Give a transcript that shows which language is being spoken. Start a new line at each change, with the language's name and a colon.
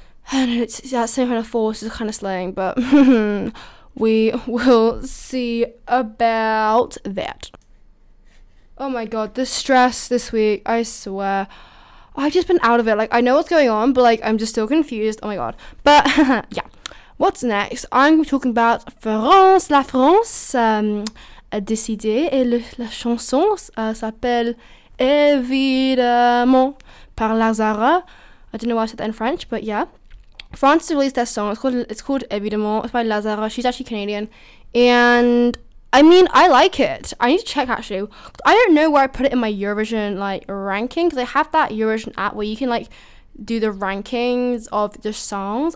English: And it's that same kind of force is kind of slaying, but. We will see about that. Oh my God, the stress this week, I swear. I've just been out of it. Like, I know what's going on, but like, I'm just still confused. Oh my God. But yeah, what's next? I'm talking about France,
French: la France, a décidé, et la chanson s'appelle évidemment par Lazara.
English: I don't know why I said that in French, but yeah. France released their song. It's called Évidemment. It's by Lazara. She's actually Canadian. And I mean, I like it. I need to check actually. I don't know where I put it in my Eurovision like ranking, because I have that Eurovision app where you can like do the rankings of the songs.